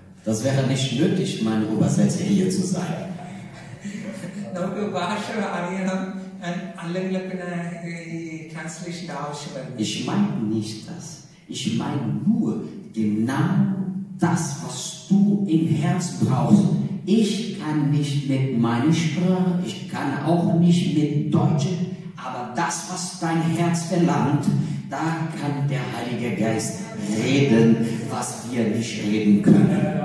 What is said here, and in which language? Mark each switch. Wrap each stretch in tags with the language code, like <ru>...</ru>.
<de>Das wäre nicht nötig, mein Übersetzer hier zu sein.</de> <ml>നമുക്ക് ഭാഷ അറിയണം, അല്ലെങ്കിൽ പിന്നെ ഈ ട്രാൻസ്ലേഷന്റെ ആവശ്യമായിരുന്നു.</ml> <de>Ich meine nicht das. Ich meine nur genau das, was du im Herz brauchst. Ich kann nicht mit meiner Sprache, ich kann auch nicht mit Deutsch, aber das, was dein Herz verlangt, da kann der Heilige Geist reden, was wir nicht reden können.</de>